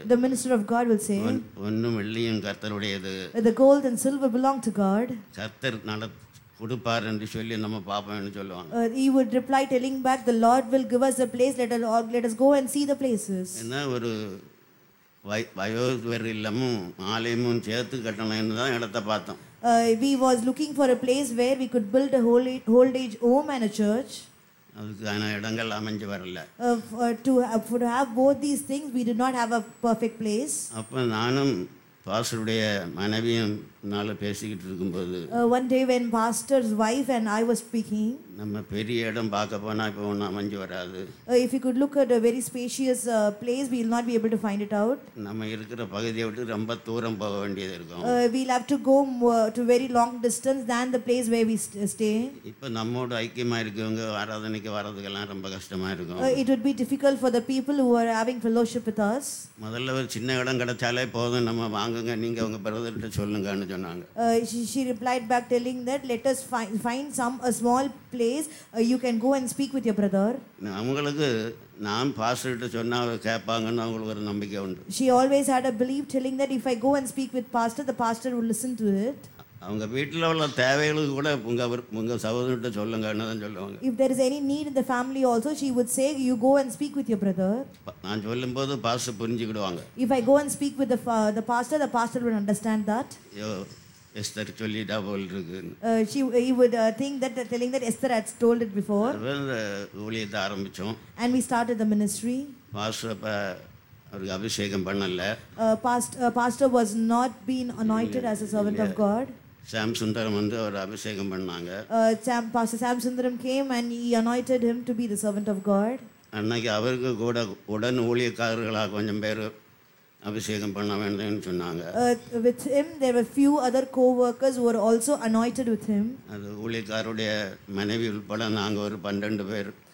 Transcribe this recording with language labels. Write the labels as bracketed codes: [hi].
[en] The minister of God will say, [ta] ஒன்னும் வெள்ளியும் கர்த்தருடையது. [en] The gold and silver belong to God. [ta] கர்த்தர் கொடுப்பார் என்று சொல்லி நம்ம பாப்போம்னு சொல்லுவாங்க. [en] He would reply telling back, the Lord will give us a place, let us go and see the places. [ta] என்ன ஒரு வயோர் இல்லமும் ஆலயமும் சேர்த்து கட்டணும்னு தான் இடத்தை பார்த்தோம். [en] We was looking for a place where we could build a old age home and a church. [ta] அதுக்கான இடங்கள் அமைஞ்சு வரல. [en] To have both these things, we did not have a perfect place. [ta] அப்போ நானும் பாஸ்டருடைய மனைவியும் நாள் பேசிக்கிட்டு இருக்கும்போது, [en] one day when pastor's wife and I was speaking, [ta] நம்ம பெரிய இடம் பார்க்க போனால் இப்போ ஒன்றும் அமைஞ்சு வராது. [en] If we could look at a very spacious place, we will not be able to find it out. [ta] நம்ம இருக்கிற பகுதியை விட்டு ரொம்ப தூரம் போக வேண்டியது இருக்கும். [en] We'll have to go to very long distance than the place where we stay. [ta] இப்போ நம்மோடு ஐக்கியமாக இருக்கவங்க ஆராதனைக்கு வர்றதுக்கெல்லாம் ரொம்ப கஷ்டமாக இருக்கும். [en] It would be difficult for the people who are having fellowship with us. [ta] முதல்ல ஒரு சின்ன இடம் கிடைச்சாலே போதும், நம்ம வாங்குங்க, நீங்கள் உங்கள் பிரதர்கிட்ட சொல்லுங்கன்னு [en] She replied back telling that let us find a small place, you can go and speak with your brother. [ta] அவங்களுக்கு நான் பாஸ்டர் கிட்ட சொன்னா கேட்பாங்கன்னு அவங்களுக்கு ஒரு நம்பிக்கை உண்டு. [en] She always had a belief telling that if I go and speak with pastor, the pastor will listen to it. [ta] அவங்க வீட்டில் உள்ள தேவைகளுக்கு கூட உங்க சகோதரிட்ட சொல்லுங்கன்னு தான் சொல்லுவாங்க. [en] If there is any need in the family also, she would say, you go and speak with your brother. [ta] நான் சொல்லும் போது pastor புரிஞ்சுக்கிடுவாங்க. [en] If I go and speak with the pastor, the pastor will understand that. [ta] Esther சொல்லி double இருக்கு. [en] He would think that Esther had told it before. [ta] ஊழியத்தை ஆரம்பித்தோம். [en] And we started the ministry. [ta] Pastor அவருக்கு அபிஷேகம் பண்ணல. [en] Pastor was not been anointed as a servant of God. [ta] சாம் சுந்தரம் வந்து அவர் அபிஷேகம் பண்ணாங்க. [en] Pastor Sam Sundaram came and he anointed him to be the servant of God. [ta] அன்னைக்கு அவருக்கு கூட உடன் ஊழியக்காரர்களாக கொஞ்சம் பேர் அபிஷேகம் பண்ண வேண்டும்னு சொன்னாங்க. [en] With him there were few other co-workers who were also anointed with him. [ta] அது ஊழியக்காரருடைய மனைவி உட்பட நாங்கள் ஒரு 12 பேர்.